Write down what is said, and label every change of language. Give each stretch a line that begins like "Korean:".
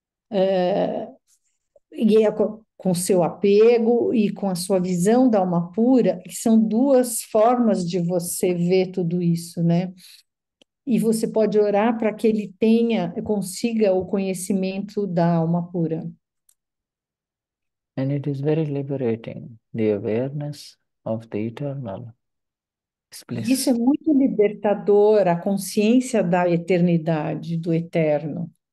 Portuguese: E é com seu apego e com a sua visão da alma pura, que são duas formas de você ver tudo isso, né? E você pode orar para que ele tenha, consiga o conhecimento da alma pura.
English: And it is very liberating, the awareness of the eternal bliss.
Portuguese: Isso é muito libertador, a consciência da eternidade, do eterno.